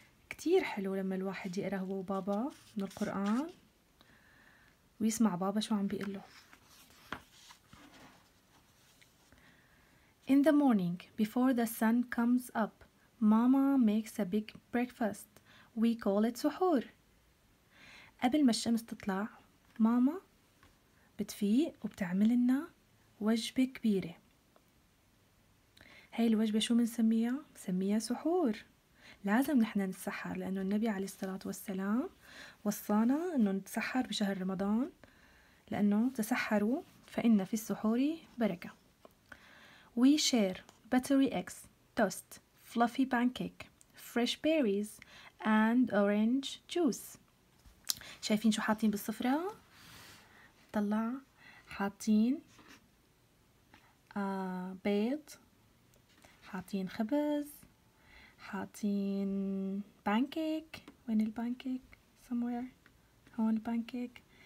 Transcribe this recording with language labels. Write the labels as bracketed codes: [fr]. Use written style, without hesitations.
[ar] كتير حلو لما الواحد يقرأ هو وبابا من القرآن ويسمع بابا شو عم بيقله. [en] In the morning, before the sun comes up, Mama makes a big breakfast. We call it سحور. [ar] قبل ما الشمس تطلع ماما بتفيق وبتعمل لنا وجبة كبيرة. هاي الوجبة شو منسميها؟ منسميها سحور. لازم نحن نتسحر لأنه النبي عليه الصلاة والسلام وصانا أنه نتسحر بشهر رمضان لأنه تسحروا فإن في السحور بركة. [en] We share buttery eggs, toast, fluffy pancake, fresh berries and orange juice. [ar] شايفين شو حاطين بالصفرة؟ طلع حاطين بيض حاطين خبز حاطين بانكيك. وين البانكيك؟ [en] somewhere [ar] هون البانكيك.